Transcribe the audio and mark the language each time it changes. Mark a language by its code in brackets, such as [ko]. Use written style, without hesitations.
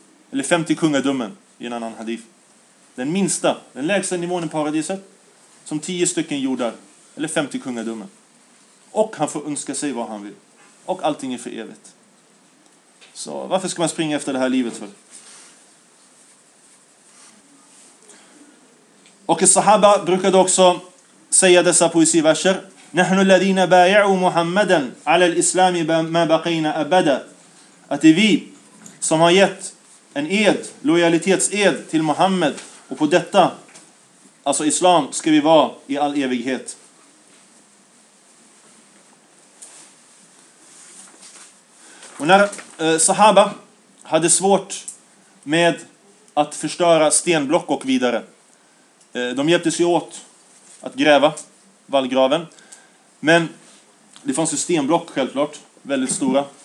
[sv] Eller 50 kungadömen i en annan hadith. Den minsta, den lägsta nivån i paradiset som 10 stycken jordar. Eller 50 kungadömen. Och han får önska sig vad han vill. Och allting är för evigt. Så varför ska man springa efter det här livet för? Och sahaba brukade också säga dessa poesiverser [ar] نحن الذين بايعوا محمدا على الإسلام ما بقينا أبدا. [sv] Att det är vi som har gett en ed, lojalitetsed till Mohammed, och på detta, alltså islam, ska vi vara i all evighet. Och när sahaba hade svårt med att förstöra stenblock och vidare, de hjälpte sig åt att gräva vallgraven, men det fanns ju stenblock självklart, väldigt stora,